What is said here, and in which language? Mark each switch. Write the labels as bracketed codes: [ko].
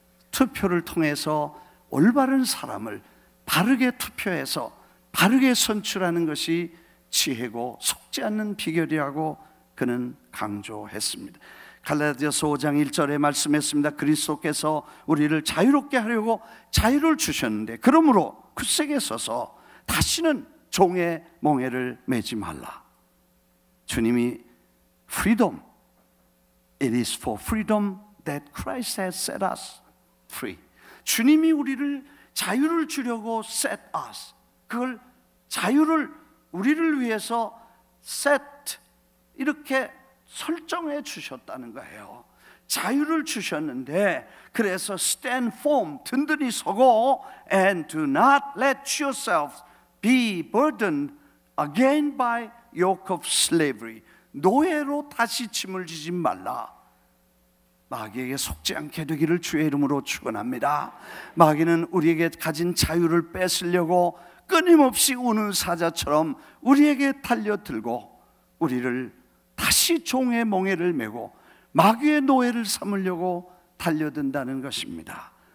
[ko] 투표를 통해서 올바른 사람을 바르게 투표해서 바르게 선출하는 것이 지혜고 속지 않는 비결이라고 그는 강조했습니다. 갈라디아서 5장 1절에 말씀했습니다. 그리스도께서 우리를 자유롭게 하려고 자유를 주셨는데 그러므로 굳세게 서서 다시는 종의 멍에를 메지 말라. 주님이 [en] freedom, it is for freedom that Christ has set us free. [ko] 주님이 우리를 자유를 주려고 [en] set us, [ko] 그걸 자유를 우리를 위해서 set 이렇게 설정해 주셨다는 거예요. 자유를 주셨는데 그래서 [en] stand firm, [ko] 든든히 서고 [en] and do not let yourself be burdened again by yoke of slavery, [ko] 노예로 다시 짐을 지지 말라. 마귀에게 속지 않게 되기를 주의 이름으로 축원합니다. 마귀는 우리에게 가진 자유를 뺏으려고 끊임없이 우는 사자처럼 우리에게 달려들고 우리를 다시 종의 멍에를 메고 마귀의 노예를 삼으려고 달려든다는 것입니다.